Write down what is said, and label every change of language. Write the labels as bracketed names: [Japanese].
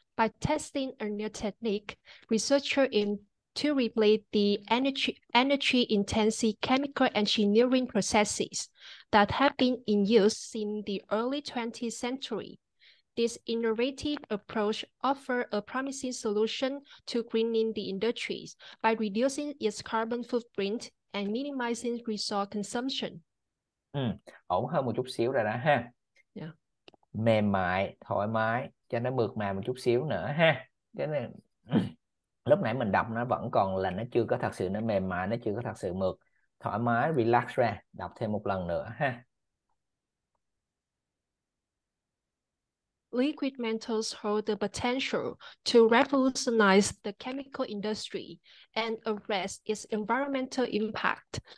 [English] By testing a new technique, researchers aim to replace the energy-intensive chemical engineering processes that have been in use since the early 20th century. This innovative approach offers a promising solution to greening the industries by reducing its carbon footprint and minimizing resource consumption. [Vietnamese] Ổn hơn một chút xíu rồi đó ha. [English] Yeah. [Vietnamese] Mềm mại, thoải mái, cho nó mượt mà một chút xíu nữa ha. Cái này, lúc nãy mình đọc nó vẫn còn là nó chưa có thật sự nó mềm mại, nó chưa có thật sự mượt. Thoải mái, relax ra, đọc thêm một lần nữa ha. [English] Liquid metals hold the potential to revolutionize the chemical industry and address its environmental impact.